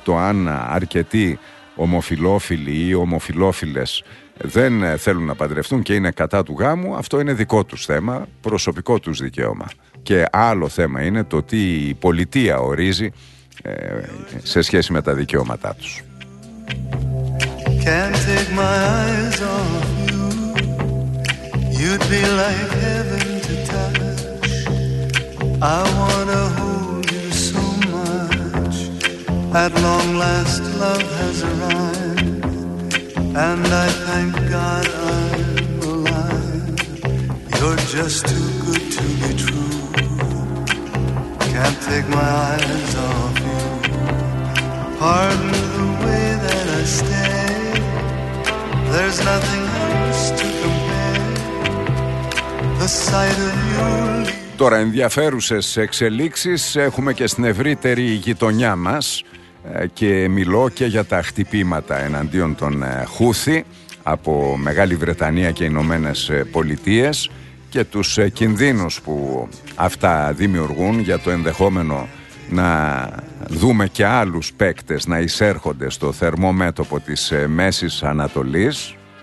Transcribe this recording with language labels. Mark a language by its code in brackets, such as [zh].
[el] Το αν αρκετοί ομοφιλόφιλοι ή ομοφιλόφιλες δεν θέλουν να παντρευτούν και είναι κατά του γάμου, αυτό είναι δικό τους θέμα, προσωπικό τους δικαίωμα. Και άλλο θέμα είναι το τι η πολιτεία ορίζει σε σχέση με τα δικαιώματά τους. [en] Can't take my eyes off you. You'd be like heaven. I wanna hold you so much. At long last love has arrived, and I thank God I'm alive. You're just too good to be true. Can't take my eyes off you. Pardon the way that I stay. There's nothing else to compare. The sight of you. [el] Τώρα, ενδιαφέρουσες εξελίξεις έχουμε και στην ευρύτερη γειτονιά μας, και μιλώ και για τα χτυπήματα εναντίον των Χούθη από Μεγάλη Βρετανία και Ηνωμένες Πολιτείες και τους κινδύνους που αυτά δημιουργούν για το ενδεχόμενο να δούμε και άλλους παίκτες να εισέρχονται στο θερμό μέτωπο της Μέσης Ανατολής,